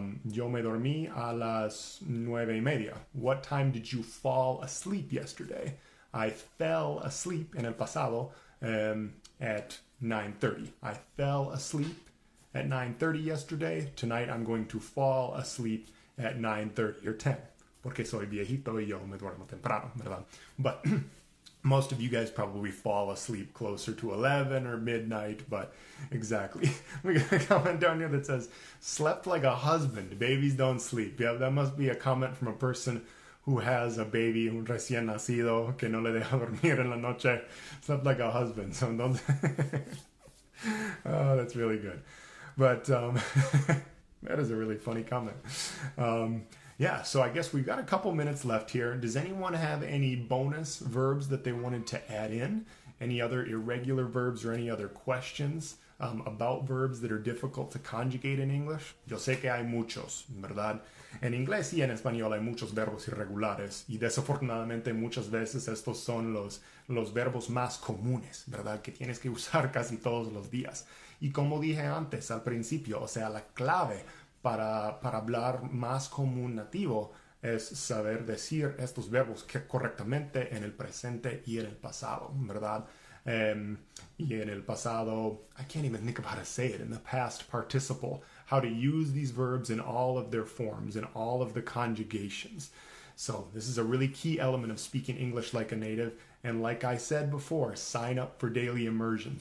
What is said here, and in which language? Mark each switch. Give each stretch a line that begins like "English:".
Spanish: Yo me dormí a las 9:30.
English: What time did you fall asleep yesterday? I fell asleep
Spanish: en el pasado
English: at 9:30. I fell asleep at 9:30 yesterday. Tonight I'm going to fall asleep at 9:30 or 10.
Spanish: Porque soy viejito y yo me duermo temprano, ¿verdad?
English: But most of you guys probably fall asleep closer to 11 or midnight, but exactly. We got a comment down here that says, slept like a husband, babies don't sleep. Yeah, that must be a comment from a person who has a baby,
Spanish: un recién nacido, que no le deja dormir en la noche.
English: Slept like a husband, so don't... Oh, that's really good. But that is a really funny comment. Yeah, so I guess we've got a couple minutes left here. Does anyone have any bonus verbs that they wanted to add in? Any other irregular verbs or any other questions about verbs that are difficult to conjugate in English?
Spanish: Yo sé que hay muchos, ¿verdad? En inglés y en español hay muchos verbos irregulares. Y desafortunadamente muchas veces estos son los verbos más comunes, ¿verdad? Que tienes que usar casi todos los días. Y como dije antes, al principio, o sea, la clave para hablar más como un nativo es saber decir estos verbos correctamente en el presente y en el pasado, ¿verdad? Y en el pasado,
English: I can't even think of how to say it, in the past participle, how to use these verbs in all of their forms, in all of the conjugations. So this is a really key element of speaking English like a native. And like I said before, sign up for daily immersion.